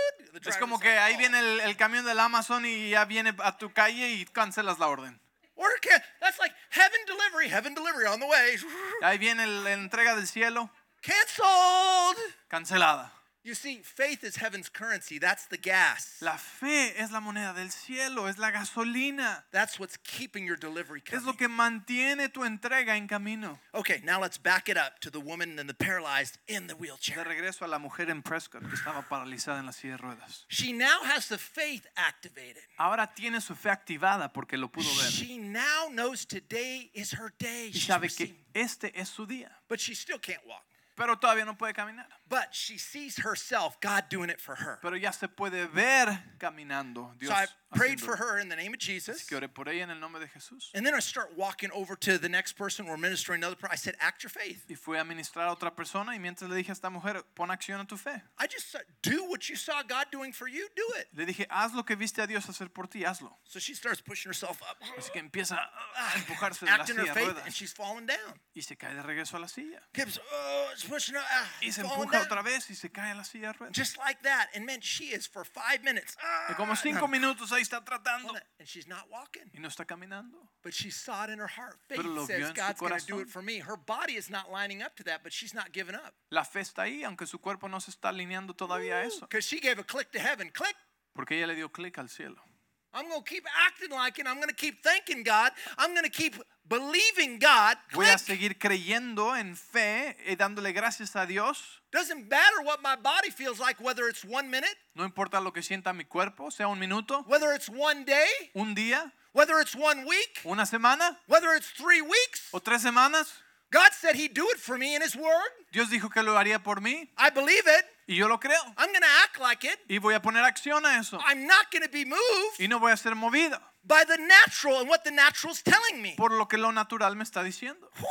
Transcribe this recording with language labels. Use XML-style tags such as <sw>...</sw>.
<en>Dude,</en> <es>es como que ahí viene el camión del Amazon y ya viene a tu calle y cancelas la orden.</es> <en>That's like heaven delivery on the way.</en> <es>Ahí viene la entrega del cielo.</es> <en>Canceled.</en> <es>Cancelada.</es> <en>You see, faith is heaven's currency. That's the gas.</en> <es>La fe es la moneda del cielo, es la gasolina.</es> <en>That's what's keeping your delivery coming.</en> <es>Es lo que mantiene tu entrega en camino.</es> <en>Okay, now let's back it up to the woman and the paralyzed in the wheelchair.</en> <es>De regreso a la mujer en Prescott que estaba paralizada en la silla de ruedas.</es> <en>She now has the faith activated.</en> <es>Ahora tiene su fe activada porque lo pudo ver.</es> <en>She now knows today is her day.</en> <es>Y sabe que este es su día.</es> <en>But she still can't walk.</en> <es>Pero todavía no puede caminar.</es> <en>But she sees herself, God doing it for her.</en> <es>Pero ya se puede ver caminando, Dios.</es> <en>So I prayed for her in the name of Jesus.</en> <es>Así que oré por ella en el nombre de Jesús.</es> <en>And then I start walking over to the next person. We're ministering another person. I said, "Act your faith."</en> <es>Y fui a ministrar a otra persona y mientras le dije a esta mujer, pon acción a tu fe.</es> <en>I just said, "Do what you saw God doing for you. Do it."</en> <es>Le dije, haz lo que viste a Dios hacer por ti, hazlo.</es> <en>So she starts pushing herself up.</en> <es>Así que empieza a empujarse de la silla.</es> <en>Acting her faith, and she's falling down.</en> <es>Y se cae de regreso a la silla.</es> <en>Keeps, pushing her,</en> <es>y se empuja</es> <en>down.</en> <es>Otra vez y se cae a la silla.</es> <en>Just like that, and man, she is for 5 minutes.</en> <es>Y como 5 minutos ahí. ahí está tratando.</es> <en>And she's not walking.</en> <es>Y no está caminando.</es> <en>But she saw it in her heart. Faith says God's going to do it for me. Her body is not lining up to that, but she's not giving up.</en> <es>La fe está ahí, aunque su cuerpo no se está alineando todavía a eso.</es> <en>Because she gave a click to heaven. Click.</en> <es>Porque ella le dio click al cielo.</es> <en>I'm going to keep acting like it. I'm going to keep thanking God. I'm going to keep believing God. Click.</en> <es>Voy a seguir creyendo en fe y dándole gracias a Dios.</es> <en>Doesn't matter what my body feels like, whether it's 1 minute.</en> <es>No importa lo que sienta mi cuerpo, sea un minuto.</es> <en>Whether it's 1 day.</en> <es>Un día.</es> <en>Whether it's 1 week.</en> <es>Una semana.</es> <en>Whether it's 3 weeks.</en> <es>O tres semanas.</es> <en>God said he'd do it for me in his word.</en> <es>Dios dijo que lo haría por mí.</es> <en>I believe it.</en> <es>Y yo lo creo.</es> <en>I'm going to act like it.</en> <es>Y voy a poner acción a eso.</es> <en>I'm not going to be moved.</en> <es>Y no voy a ser movido.</es> <en>By the natural and what the natural is telling me.</en> <es>Por lo que lo natural me está diciendo.</es>